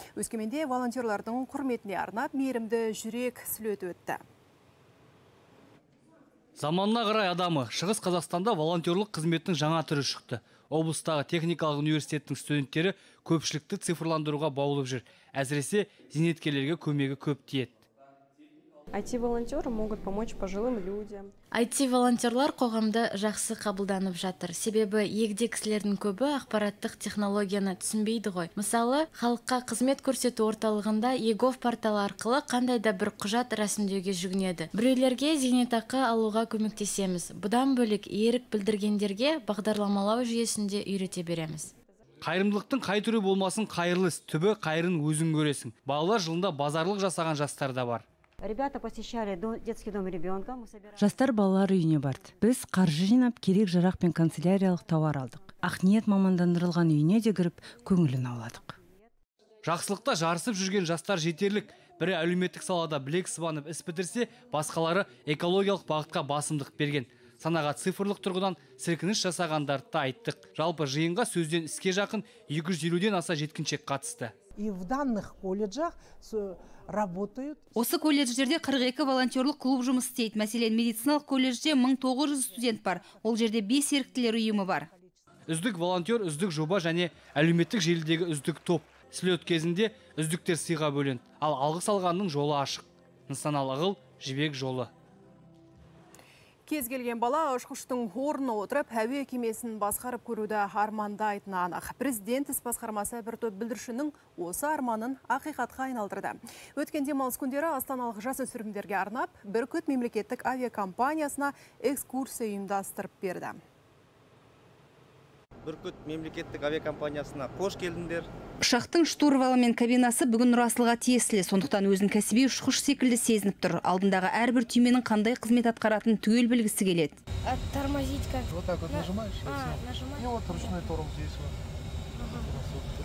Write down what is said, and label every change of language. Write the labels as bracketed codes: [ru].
[kk] Өскеменде волонтерлардың құрметіне арнап мейірімді жүрек слеті өтті. Заманына қарай адамы, Шығыс Қазақстанда волонтерлық қызметтің жаңа түрі шықты. Облыстағы техникалық университеттің студенттері көпшілікті цифрландыруға баулып жүр. Әзіресе, зейнеткерлерге көмегі көп тиеді. [ru] IT-волонтеры могут помочь пожилым людям. [kk] IT-волонтерлар қоғамды жақсы қабылданып жатыр. Себебі, егде кісілердің көбі ақпараттық технологияны түсінбейді ғой. Мысалы, халыққа қызмет көрсету орталығында ЕГОВ порталы арқылы қандай да бір құжат рәсімдеуге жүгінеді. Біреулерге зейнетақы алуға көмектесеміз. Бұдан бөлек ерік білдіргендерге бағдарламалау жүйесінде үйрете береміз. Қайырымдылықтың қай түрі болмасын, қайырлы іс түбі қайырын өзің көресің. Балалар жылында базарлық жасаған жастар да бар. [ru] Ребята посещали детский дом ребенка. [kk] Жастар балалар үйіне барды. Біз қаржы жинап, керек жарақ пен канцеляриялық тауар алдық. Ақниет мамандандырылған үйіне де кіріп, көңілін ауладық. Жақсылықта жарысып жүрген жастар жетерлік. Бірі әлеуметтік салада білек сыбанып іс бітірсе, басқалары экологиялық бағытқа басымдық берген. Санаға цифрлық тұрғыдан сілкініш жасағандарды да айттық. Жалпы жиынға сөзден іске жақын 250-ден аса жеткіншек қатысты. [ru] И в данных колледжах работают. [kk] Осы колледждерде 42 волонтерлік клуб жұмыс істейді. Мәселен, медициналық колледжде 1900 студент бар. Ол жерде 5 еріктілер ұйымы бар. Үздік волонтер, үздік жоба және әлеуметтік желідегі үздік топ. Слет кезінде үздіктер сыйға бөлінді. Ал алғыс алғанның жолы ашық. Нысаналы ғыл Жібек жолы. Кез келген бала ұшқыштың орнына отырып, әуе кемесін басқарып көруді армандайтыны анық. Президент іс басқармасы бір топ бүлдіршіннің осы арманын ақиқатқа айналдырды. Өткен демалыс күндері астаналық жасөспірімдерге арнап, Бүркіт мемлекеттік авиакомпаниясына экскурсия ұйымдастырып берді. Бүркіт мемлекеттік авиакомпаниясына қош келдіңдер. Ұшақтың штурвалы мен кабинасы бүгін Нұрасылға тиесілі, сондықтан өзін кәсіби ұшқыш секілді сезініп тұр. Алдындағы әрбір түйменің қандай қызмет атқаратын түгел білгісі келеді. [ru] Тормозить как? Вот так вот нажимаешь? Нажимаешь. И вот ручной тормоз здесь вот.